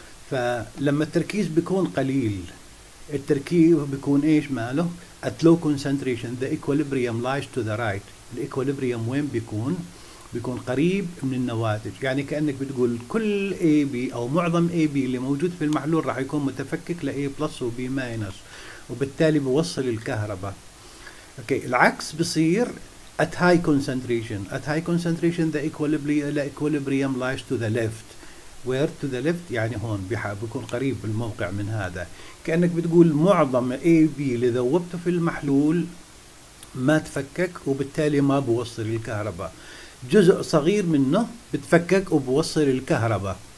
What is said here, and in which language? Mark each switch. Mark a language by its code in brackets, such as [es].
[ar] فلما التركيز بيكون قليل التركيز بيكون ايش ماله؟ [en] At low concentration the equilibrium lies to the right. [ar] الايكوليبريم وين بيكون؟ بيكون قريب من النواتج، يعني كانك بتقول كل اي بي او معظم اي بي اللي موجود في المحلول راح يكون متفكك لاي بلس وبي ماينس، وبالتالي بوصل الكهرباء. اوكي العكس بصير [en] at high concentration. At high concentration the equilibrium lies to the left. Where to the left؟ [ar] يعني هون بيكون قريب الموقع من هذا. كأنك بتقول معظم اي بي اللي ذوبته في المحلول ما تفكك وبالتالي ما بوصل الكهرباء، جزء صغير منه بتفكك وبوصل الكهرباء.